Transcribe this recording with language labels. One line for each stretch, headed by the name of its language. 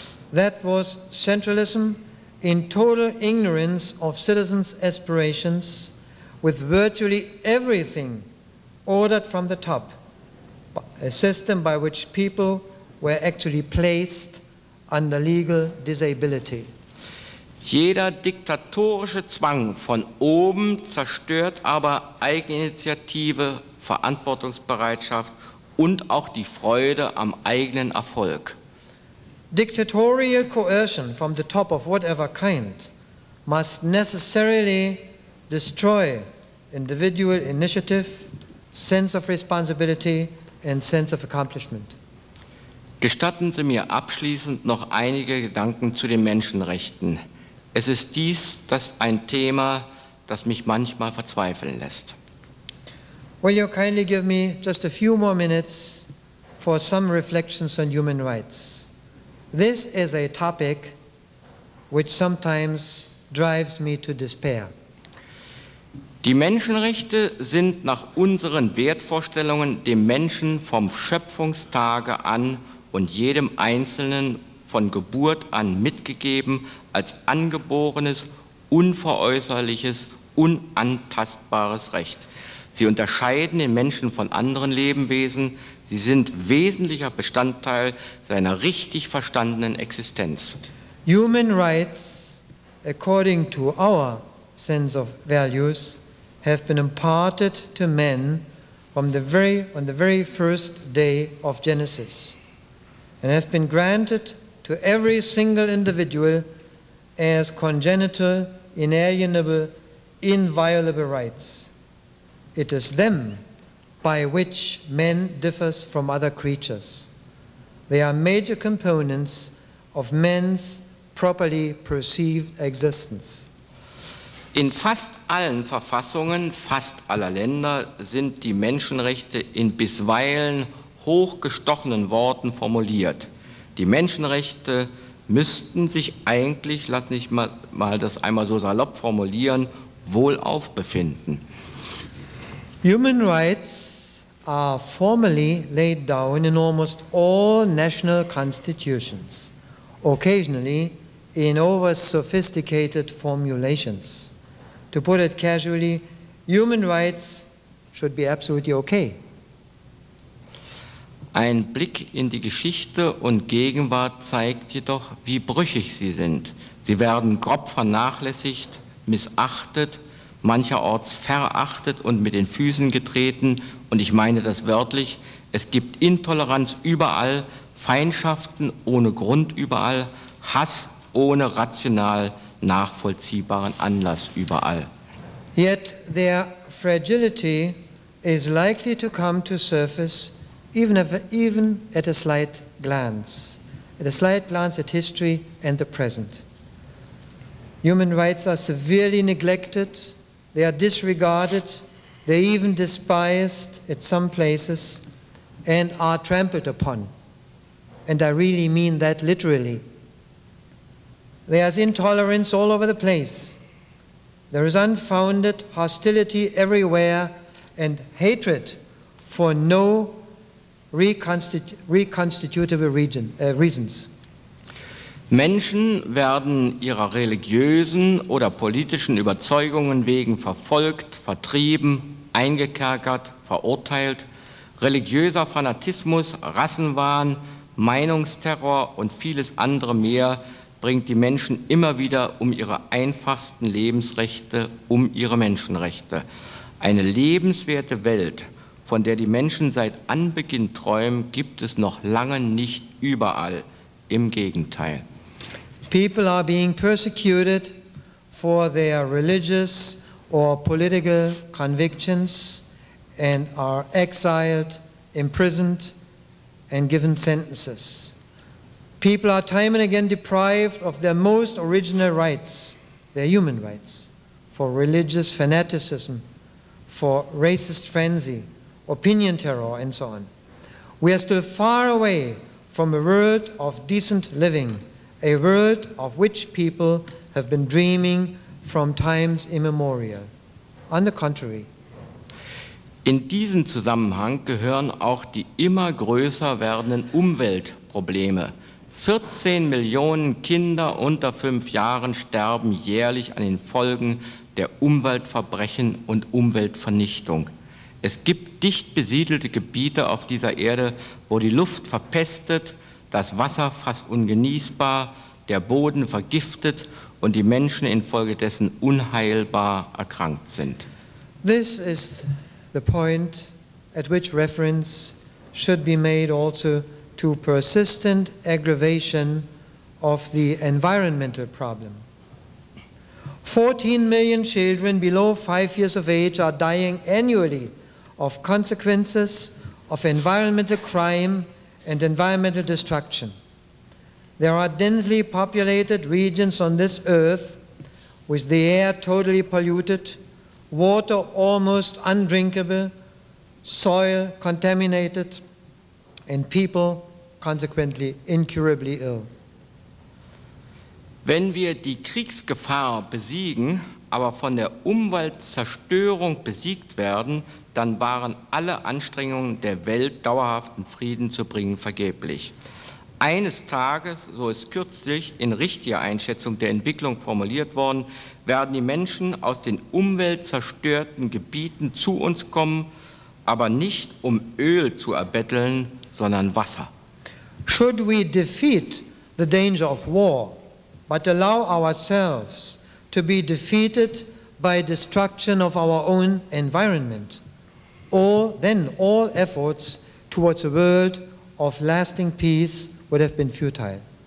English: That was centralism in total ignorance of citizens' aspirations, with virtually everything ordered from the top, a system by which people were actually placed under legal disability.
German: Jeder diktatorische Zwang von oben zerstört aber Eigeninitiative, Verantwortungsbereitschaft und auch die Freude am eigenen Erfolg.
English: Dictatorial coercion from the top of whatever kind must necessarily destroy individual initiative, sense of responsibility and sense of accomplishment.
German: Gestatten Sie mir abschließend noch einige Gedanken zu den Menschenrechten. Es ist dies das ein Thema, das mich manchmal verzweifeln lässt.
English: Will you kindly give me just a few more minutes for some reflections on human rights? This is a topic which sometimes drives me to despair.
German: Die Menschenrechte sind nach unseren Wertvorstellungen dem Menschen vom Schöpfungstage an und jedem Einzelnen von Geburt an mitgegeben als angeborenes, unveräußerliches, unantastbares Recht. Sie unterscheiden den Menschen von anderen Lebewesen. Sie sind wesentlicher Bestandteil seiner richtig verstandenen Existenz.
English: Human rights, according to our sense of values, have been imparted to men from the very first day of Genesis and have been granted to every single individual as congenital, inalienable, inviolable rights. It is them by which man differs from other creatures. They are major components of man's properly perceived existence.
German: In fast allen Verfassungen fast aller Länder sind die Menschenrechte in bisweilen hochgestochenen Worten formuliert. Die Menschenrechte müssten sich eigentlich, lass mich mal das einmal so salopp formulieren, wohlauf befinden.
English: Human rights are formally laid down in almost all national constitutions, occasionally in over-sophisticated formulations. To put it casually, human rights should be absolutely okay.
German: Ein Blick in die Geschichte und Gegenwart zeigt jedoch, wie brüchig sie sind. Sie werden grob vernachlässigt, missachtet, mancherorts verachtet und mit den Füßen getreten. Und ich meine das wörtlich, es gibt Intoleranz überall, Feindschaften ohne Grund überall, Hass ohne rational nachvollziehbaren Anlass überall.
English: Yet their fragility is likely to come to surface even at a slight glance at history and the present. Human rights are severely neglected, they are disregarded, they are even despised at some places and are trampled upon. And I really mean that literally. There is intolerance all over the place. There is unfounded hostility everywhere and hatred for no reconstitutable reasons.
German: Menschen werden ihrer religiösen oder politischen Überzeugungen wegen verfolgt, vertrieben, eingekerkert, verurteilt. Religiöser Fanatismus, Rassenwahn, Meinungsterror und vieles andere mehr bringt die Menschen immer wieder um ihre einfachsten Lebensrechte, um ihre Menschenrechte. Eine lebenswerte Welt, von der die Menschen seit Anbeginn träumen, gibt es noch lange nicht überall. Im Gegenteil.
English: People are being persecuted for their religious or political convictions and are exiled, imprisoned and given sentences. People are time and again deprived of their most original rights, their human rights, for religious fanaticism, for racist frenzy, opinion terror, and so on. We are still far away from a world of decent living, a world of which people have been dreaming from times immemorial. On the contrary.
German: In diesen Zusammenhang gehören auch die immer größer werdenden Umweltprobleme. 14 Millionen Kinder unter 5 Jahren sterben jährlich an den Folgen der Umweltverbrechen und Umweltvernichtung. Es gibt dicht besiedelte Gebiete auf dieser Erde, wo die Luft verpestet, das Wasser fast ungenießbar, der Boden vergiftet und die Menschen infolgedessen unheilbar erkrankt sind.
English: This is the point at which reference should be made also to persistent aggravation of the environmental problem. 14 million children below 5 years of age are dying annually of consequences of environmental crime and environmental destruction. There are densely populated regions on this earth with the air totally polluted, water almost undrinkable, soil contaminated, and people consequently incurably ill.
German: Wenn wir die Kriegsgefahr besiegen, aber von der Umweltzerstörung besiegt werden, dann waren alle Anstrengungen der Welt, dauerhaften Frieden zu bringen, vergeblich. Eines Tages, so ist kürzlich in richtiger Einschätzung der Entwicklung formuliert worden, werden die Menschen aus den umweltzerstörten Gebieten zu uns kommen, aber nicht um Öl zu erbetteln, sondern Wasser.
English: Should we defeat the danger of war, but allow ourselves to be defeated by destruction of our own environment? All efforts towards a world of lasting peace would have been futile.